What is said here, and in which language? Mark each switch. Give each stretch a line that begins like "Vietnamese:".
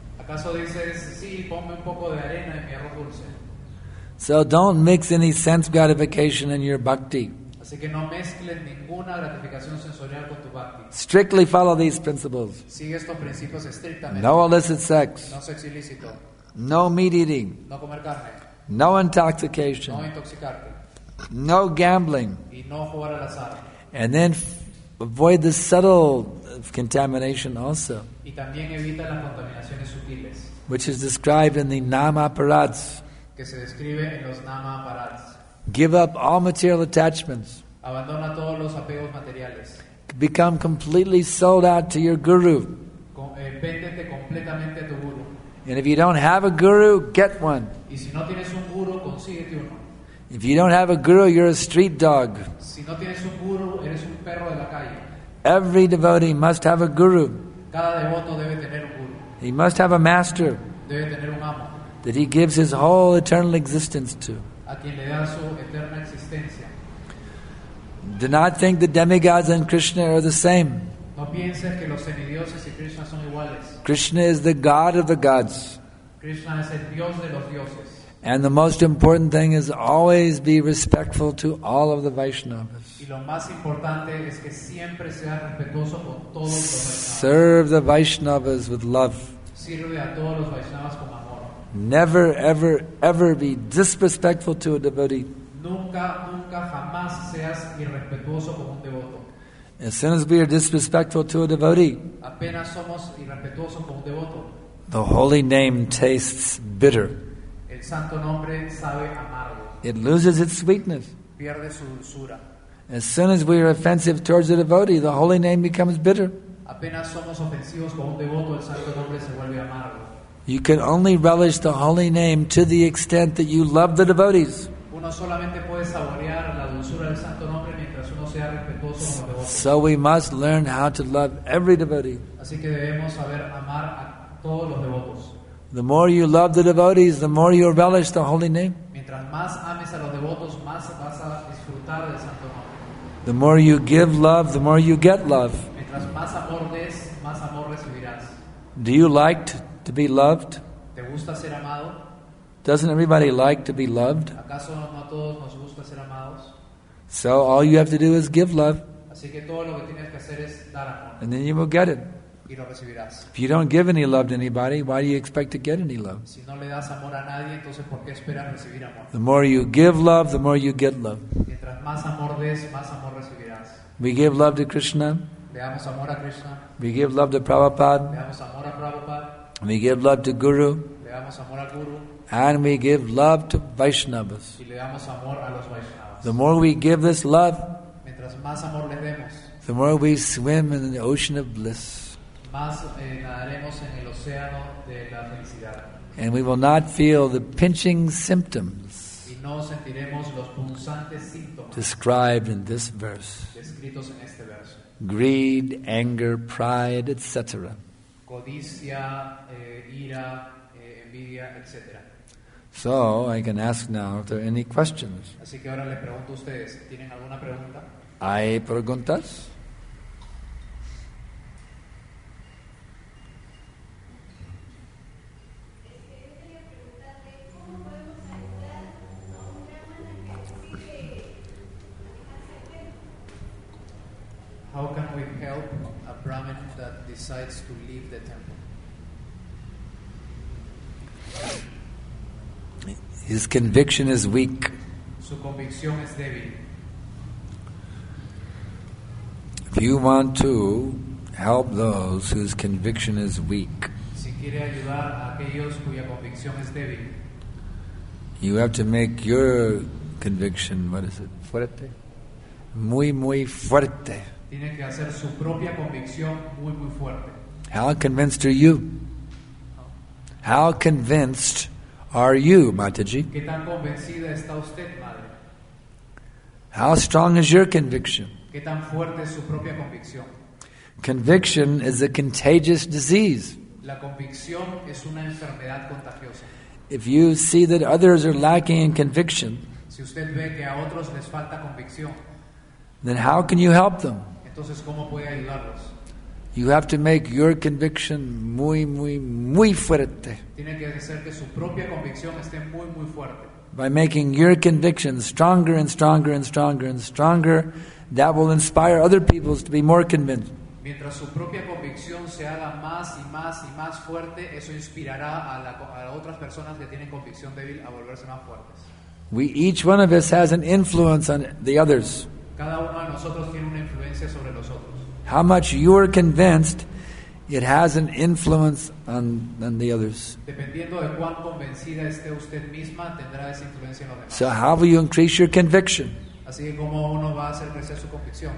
Spanish: ¿Acaso dices, sí, ponme un poco de arena en mi arroz dulce?
English: So don't mix any sense gratification in your bhakti.
Spanish: Así que no mezcles ninguna gratificación sensorial con tu bhakti.
English: Strictly follow these principles.
Spanish: Sigue estos principios estrictamente.
English: No illicit sex.
Spanish: No sexo ilícito.
English: No meat eating.
Spanish: No comer carne.
English: No intoxication.
Spanish: No intoxicarte.
English: No gambling.
Spanish: Y no jugar al azar.
English: And then avoid the subtle contamination also.
Spanish: Y también evita las contaminaciones sutiles.
English: Which is described in the Nama Parads.
Spanish: Que se describe en los Nama Parads.
English: Give up all material attachments.
Spanish: Abandona todos los apegos materiales.
English: Become completely sold out to your guru.
Spanish: Véndete completamente a tu guru.
English: And if you don't have a guru, get one.
Spanish: Y si no tienes un guru, consíguete uno.
English: If you don't have a guru, you're a street dog.
Spanish: Si no tienes un guru, eres un perro de la calle.
English: Every devotee must have a guru.
Spanish: Cada devoto debe tener un guru.
English: He must have a master.
Spanish: Debe tener un amo.
English: That he gives his whole eternal existence to.
Spanish: A quien le da su eterna existencia.
English: Do not think the demigods and Krishna are the same.
Spanish: No pienses que los semidioses y Krishna son iguales.
English: Krishna is the god of the gods.
Spanish: Krishna es el dios de los dioses.
English: And the most important thing is always be respectful to all of the Vaishnavas.
Spanish: Y lo más importante es que siempre sea respetuoso con todos los Vaishnavas.
English: Serve the Vaishnavas with love.
Spanish: Sirve a todos los Vaishnavas con amor.
English: Never, ever, ever be disrespectful to a devotee.
Spanish: Nunca, nunca, jamás seas irrespetuoso con un devoto.
English: As soon as we are disrespectful to a devotee,
Spanish: apenas somos irrespetuosos con un devoto,
English: the holy name tastes bitter.
Spanish: El santo nombre sabe amargo.
English: It loses its sweetness.
Spanish: Pierde su dulzura.
English: As soon as we are offensive towards a devotee, the holy name becomes bitter.
Spanish: Apenas somos ofensivos con un devoto, el santo nombre se vuelve amargo.
English: You can only relish the holy name to the extent that you love the devotees.
Spanish: Uno solamente puede saborear la dulzura del santo nombre mientras uno sea respetuoso con los devotos.
English: So we must learn how to love every devotee.
Spanish: Así que debemos saber amar a todos los devotos.
English: The more you love the devotees, the more you relish the holy name.
Spanish: Mientras más ames a los devotos, más vas a disfrutar del santo nombre.
English: The more you give love, the more you get love.
Spanish: Mientras más amor des, más amor recibirás.
English: Do you like to be loved?
Spanish: ¿Te gusta ser amado?
English: Doesn't everybody like to be loved?
Spanish: ¿Acaso no a todos nos gusta ser amados?
English: So all you have to do is give love.
Spanish: Así que todo lo que tienes que hacer es dar amor.
English: And then you will get it.
Spanish: Y lo recibirás.
English: If you don't give any love to anybody, why do you expect to get any love?
Spanish: Si no le das amor a nadie, entonces ¿por qué esperas recibir amor?
English: The more you give love, the more you get love.
Spanish: Mientras más amor des, más amor recibirás.
English: We give love to Krishna.
Spanish: Le damos amor a Krishna.
English: We give love to Prabhupada.
Spanish: Le damos amor a Prabhupada.
English: We give love to Guru.
Spanish: Le damos amor a Guru.
English: And we give love to Vaishnavas.
Spanish: Y le damos amor a los Vaishnavas.
English: The more we give this love,
Spanish: mientras más amor les demos,
English: the more we swim in the ocean of bliss.
Spanish: Más, nadaremos en el océano de la felicidad.
English: And we will not feel the pinching symptoms
Spanish: y no sentiremos los punzantes síntomas
English: described in this verse.
Spanish: Descritos en este verso.
English: Greed, anger, pride, etc.
Spanish: Codicia, ira, envidia, etc.
English: So I can ask now if there are any questions.
Spanish: Así que ahora les pregunto a ustedes, ¿tienen alguna pregunta? ¿Hay preguntas?
English: How can we help a Brahmin that decides to leave the temple? His conviction is weak.
Spanish: Su convicción es débil.
English: If you want to help those whose conviction is weak,
Spanish: si quiere ayudar a aquellos cuya convicción es débil,
English: you have to make your conviction, what is it?
Spanish: Fuerte. Muy, muy fuerte. Tiene que hacer su propia convicción muy, muy fuerte.
English: How convinced are you? How convinced are you, Mataji?
Spanish: ¿Qué tan convencida está usted, madre?
English: How strong is your conviction?
Spanish: ¿Qué tan fuerte es su propia convicción?
English: Conviction is a contagious disease.
Spanish: La convicción es una enfermedad contagiosa.
English: If you see that others are lacking in conviction,
Spanish: si usted ve que a otros les falta convicción,
English: then how can you help them?
Spanish: Entonces, ¿cómo puede ayudarlos?
English: You have to make your conviction
Spanish: muy, muy, muy fuerte. Tiene que hacer que su propia convicción esté muy, muy fuerte.
English: By making your conviction stronger and stronger and stronger and stronger, that will inspire other people to be more convinced.
Spanish: Mientras su propia convicción se haga más y más y más fuerte, eso inspirará a otras personas que tienen convicción débil a volverse más fuertes.
English: We each one of us has an influence on the others.
Spanish: Cada uno de nosotros tiene una influencia sobre los otros.
English: How much you are convinced, it has an influence on the others.
Spanish: Dependiendo de cuán convencida esté usted misma, tendrá esa influencia en los demás.
English: So how will you increase your conviction?
Spanish: Así que cómo uno va a hacer crecer su convicción.